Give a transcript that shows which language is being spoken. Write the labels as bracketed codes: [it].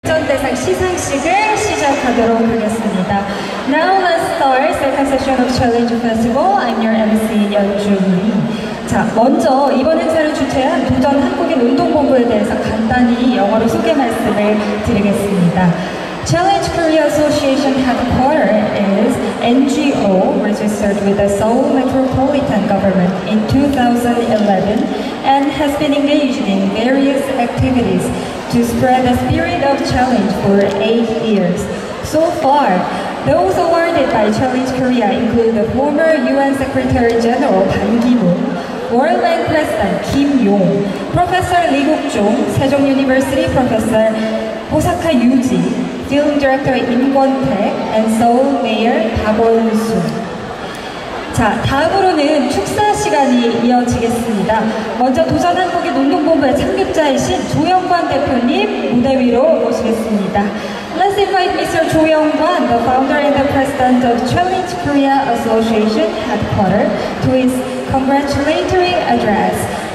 [ko] 대상 시상식을 시작하도록 하겠습니다. [en] Now let's start second session of Challenge Festival. I'm your MC, 연준. [ko] 자, 먼저 이번 행사를 주최한 도전 한국인 운동본부에 대해서 간단히 영어로 소개 말씀을 드리겠습니다. [en] Challenge Korea Association headquarters is NGO registered with the Seoul Metropolitan Government in 2011 and has been engaged in various activities to spread the spirit of challenge for 8 years. So far, those awarded by Challenge Korea include the former UN Secretary General Ban Ki-moon, World Bank President Kim Yong, Professor Lee Guk-jong, Sejong University Professor Osaka Yuji, Film Director 임권택, and Seoul Mayor 박원순. [ko] 자, 다음으로는 축사 시간이 이어지겠습니다. 먼저 도전 한국인 운동본부의 창립자이신 조영관 대표님 무대 위로 모시겠습니다. [en] Let's invite Mr. 조영관, the founder and the president of Challenge Korea Association headquarters, to his congratulatory address.